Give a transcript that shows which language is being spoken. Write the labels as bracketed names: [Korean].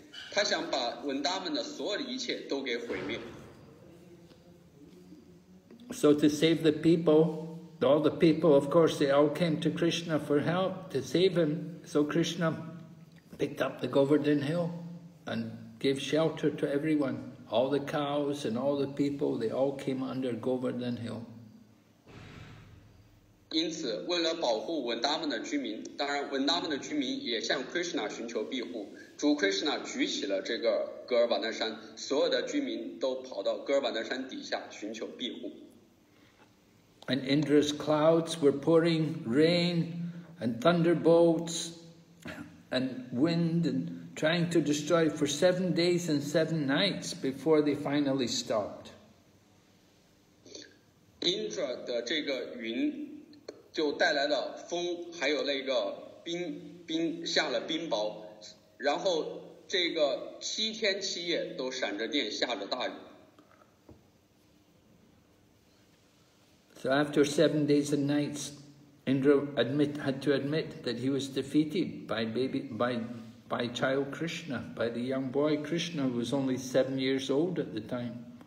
[Chinese] 他想把文达们的所有的一切都给毁灭。 [English] So to save the people, all the people, of course, they all came to Krishna for help to save him. So Krishna picked up the Govardhan Hill and gave shelter to everyone. All the cows and all the people, they all came under Govardhan Hill. [Chinese] 因此，为了保护文达们的居民，当然文达们的居民也向 Krishna 寻求庇护。主 Krishna 举起了这个噶尔瓦纳山，所有的居民都跑到噶尔瓦纳山底下寻求庇护。 [English] And Indra's clouds were pouring rain and thunderbolts and wind and trying to destroy for 7 days and seven nights before they finally stopped. [Chinese] Indra 的这个云就带来了风，还有那个冰下了冰雹，然后这个七天七夜都闪着电，下着大雨。 [English] So after 7 days and nights, Indra had to admit that he was defeated by child Krishna, by the young boy Krishna, who was only 7 years old at the time.